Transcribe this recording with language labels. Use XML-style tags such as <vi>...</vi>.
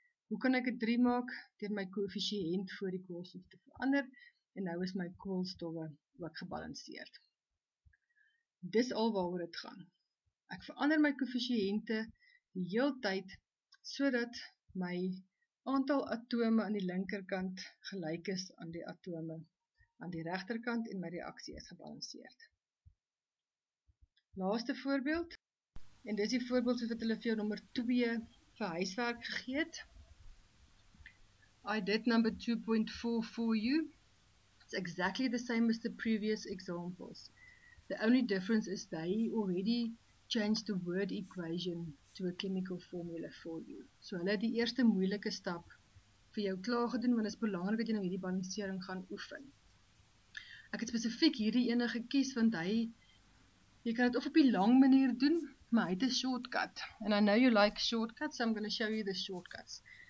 <af>Hoe kan ek 'n 3 maak deur my koëffisiënt voor die koolstof te verander? En nou is my koolstowwe ook gebalanseerd. Dis al waaroor dit gaan. Ek verander my koëffisiënte die heeltyd sodat my aantal atome aan die linkerkant gelyk is aan die atome aan die regterkant en my reaksie is gebalanseerd. Laaste voorbeeld, en dis die voorbeeld soos wat hulle vir jou nommer 2 vir huiswerk gegee het.</af> <en>I did number 2.4 for you. It's exactly the same as the previous examples. The only difference is they already changed the word equation to a chemical formula for you.</en> <af>So hulle het die eerste moeilike stap vir jou klaar gedoen, want dit is belangrik dat jy nou hierdie balansering gaan oefen. Ek het spesifiek hierdie ene gekies, want jy kan dit of op die lang manier doen, maar hy het 'n shortcut.</af> <en>And I know you like shortcuts, so I'm going to show you the shortcuts.</en>